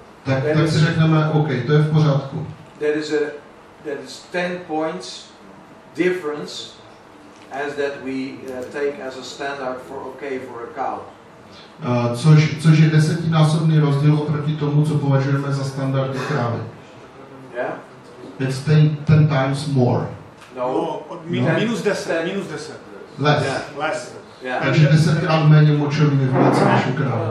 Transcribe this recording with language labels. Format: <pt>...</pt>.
<cs>Tak si řekneme, OK, to je v pořádku.</cs> <en>That is 10 points difference as that we take as a standard for okay for a cow.</en> <cs>Což je desetinásobný rozdíl oproti tomu, co považujeme za standard krávy.</cs> <en>Yeah. It's 10 times more. Minus 10. Less. Yeah. Less. Yeah.</en> <cs>Takže 10krát méně močoviny v mléce než u krávy.</cs>